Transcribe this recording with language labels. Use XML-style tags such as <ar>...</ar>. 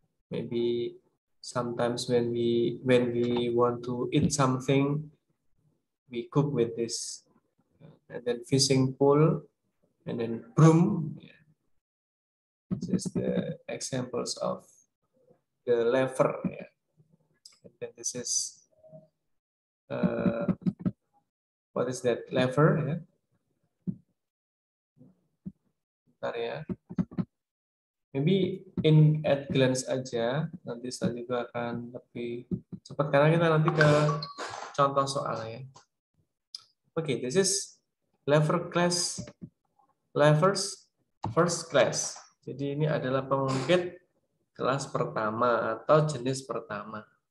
<en>Maybe sometimes when we want to eat something, we cook with this, and then fishing pole, and then broom. Yeah. This is the examples of the lever. Yeah, and then this is what is that lever?</en> <id>Yeah, bentar ya.</id> <en>Maybe in at glance</en> <id>aja, nanti saya juga akan lebih cepat karena kita nanti ke contoh soalnya.</id> <en>Okay, this is lever class, levers first class.</en> <id>Jadi ini adalah pengungkit kelas pertama atau jenis pertama.</id>